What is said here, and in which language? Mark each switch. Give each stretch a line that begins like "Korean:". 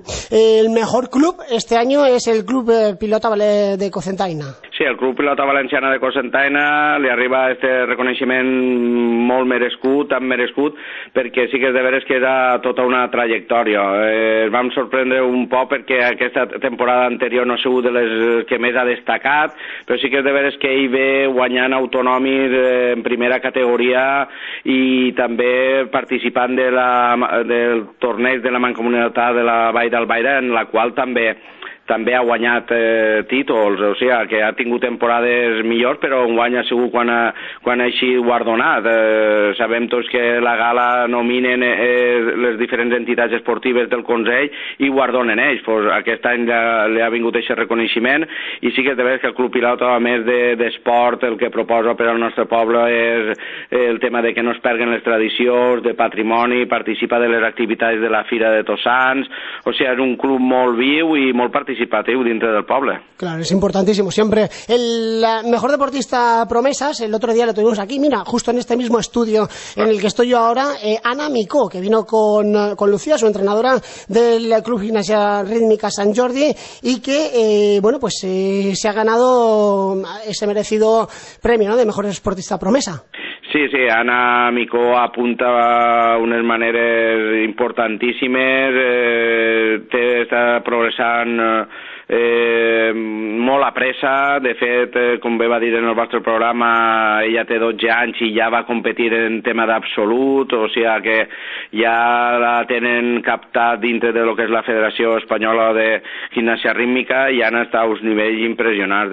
Spanish: El mejor club este año es el Club Pilota de Cocentaina.
Catalan: Sí, el Club Pilota Valenciana de Cocentaina li arriba este reconeixement molt molt merescut, tan merescut, perquè sí que és de veres que era tota una trajectòria. Es vam sorprendre un poc perquè aquesta temporada anterior no ha sigut de les que més ha destacat, però sí que és de veres que ell ve guanyant autonòmic en primera categoria i també participant de la, del torneig de la Mancomunitat de la Vall d'Albaida, en la qual també ha guanyat títols, o sigui, que ha tingut temporades millors, però un guany ha sigut quan ha sigut guardonat. Sabem tots que la gala nominen les diferents entitats esportives del Consell i guardonen ells. Pues aquest any li ha vingut aquest reconeixement, i sí que és de veres que el Club Pilot, a més d'esport, el que proposa per al nostre poble és el tema de que no es perguen les tradicions, de patrimoni, participa de les activitats de la Fira de Tossans, o sigui, és un club molt viu i molt participatiu
Spanish: dentro del pueblo. Claro, es importantísimo. Siempre el mejor deportista promesas, el otro día lo tuvimos aquí, mira, justo en este mismo estudio en el que estoy yo ahora, Ana Micó, que vino con Lucía, su entrenadora del Club Gimnasia Rítmica San Jordi, y que, bueno, pues se ha ganado ese merecido premio, ¿no?, de mejor deportista promesa.
Catalan: Sí, sí, Ana Micó apunta unes maneres importantíssimes, està progressant molt a pressa. De fet, com bé va dir en el vostre programa, ella té 12 anys i ja va competir en tema d'absolut, o sigui que ja la tenen captat dintre de lo que és la Federació Espanyola de Gimnàsia Rítmica, i han estat a uns nivells impressionants.